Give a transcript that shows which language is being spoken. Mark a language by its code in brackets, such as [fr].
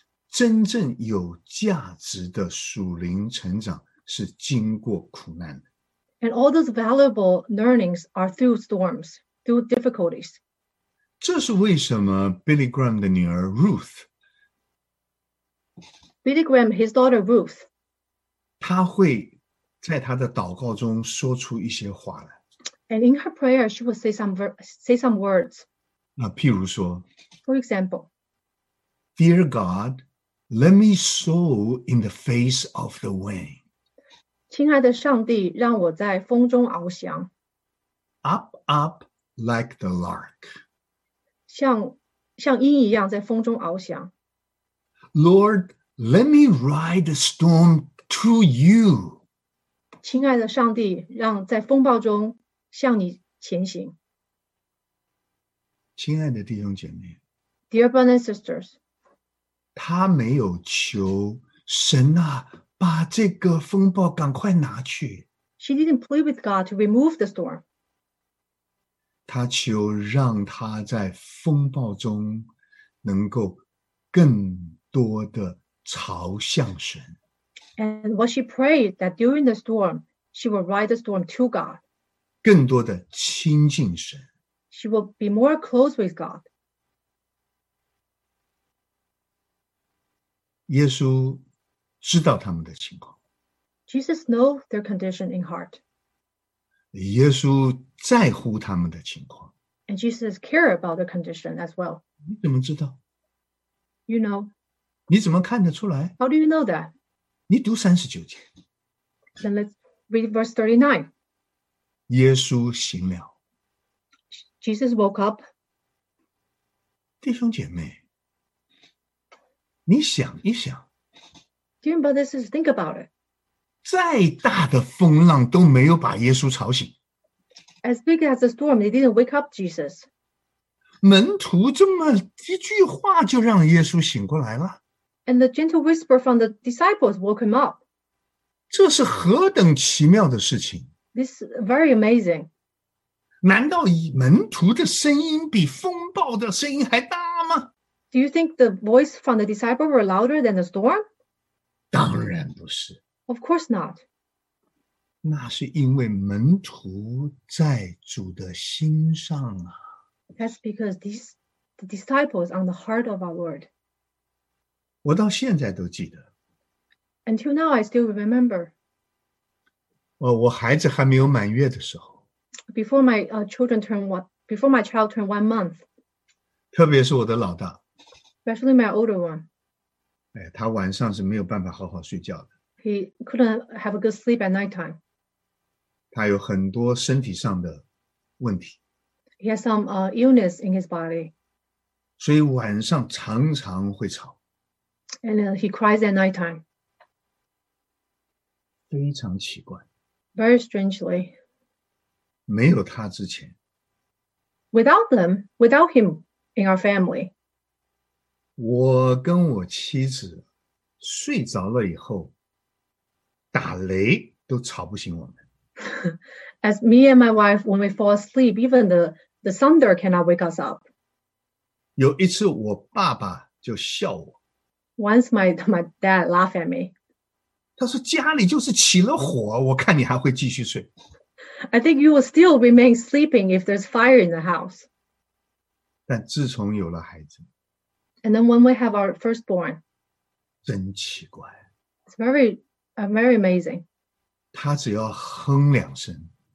[zh] 真正有价值的属灵成长是经过苦难的。 [en] And all those valuable learnings are through storms, through difficulties. [zh] 这是为什么 Billy Graham 的女儿 Ruth, [en] Billy Graham, his daughter Ruth, [zh] 她会在他的祷告中说出一些话来。 [en] And in her prayer, she would say some words. [zh] 那譬如说， [en] For example, Dear God, let me sow in the face of the wind. [zh] 亲爱的上帝，让我在风中翱翔。 [en] Up, up like the lark. [zh] 像鹰一样在风中翱翔。 [en] Lord, let me ride the storm to you. [zh] 亲爱的上帝，让在风暴中向你前行。亲爱的弟兄姐妹， [en] Dear brothers and sisters, [zh] 他没有求神啊，把这个风暴赶快拿去。 [en] She didn't plead with God to remove the storm. [zh] 他求让他在风暴中能够更多的朝向神。 [en] And what she prayed that during the storm, she will ride the storm to God. [zh] 更多的亲近神。 [en] She will be more close with God. [zh] 耶稣知道他们的情况。 [en] Jesus knows their condition in heart. [zh] 耶稣在乎他们的情况。 [en] And Jesus cares about their condition as well. [zh] 你怎么知道？ [en] You know. [zh] 你怎么看得出来？ [en] How do you know that? [zh] 你读三十九节。 [en] Then let's read verse 39. [zh] 耶稣醒了。 [en] Jesus woke up. [zh] 弟兄姐妹，你想一想。 [en] Dear brothers, think about it. [zh] 再大的风浪都没有把耶稣吵醒。 [en] As big as a storm, they didn't wake up Jesus. [zh] 门徒这么一句话就让耶稣醒过来了。 [en] And the gentle whisper from the disciples woke him up. [zh] 这是何等奇妙的事情。 [en] This is very amazing. [zh] 难道门徒的声音比风暴的声音还大吗？ [en] Do you think the voice from the disciples were louder than the storm? [zh] 当然不是。 [en] Of course not. [zh] 那是因为门徒在主的心上啊。 [en] That's because the disciples on the heart of our Lord. [zh] 我到现在都记得。 [en] Until now, I still remember. [zh] 我孩子还没有满月的时候。 [en] Before my child turned 1 month. [zh] 特别是我的老大。 [en] Especially my older one. [zh] 哎，他晚上是没有办法好好睡觉的。 [en] He couldn't have a good sleep at night time. [zh] 他有很多身体上的问题。 [en] He has some illness in his body. [zh] 所以晚上常常会吵。 [en] And he cries at night time. [zh] 非常奇怪。 [en] Very strangely. [zh] 没有他之前。 [en] Without them, without him in our family. [zh] 我跟我妻子睡着了以后打雷都吵不醒我们。 [en] As me and my wife, when we fall asleep, even the thunder cannot wake us up. [zh] 有一次我爸爸就笑我。 [en] Once my dad laughed at me. [zh] 他说家里就是起了火，我看你还会继续睡。 [en] I think you will still remain sleeping if there's fire in the house. [zh] 但自从有了孩子。 [en] And then when we have our firstborn. [zh] 真奇怪。 [en] It's very amazing. [zh] 他只要哼两声。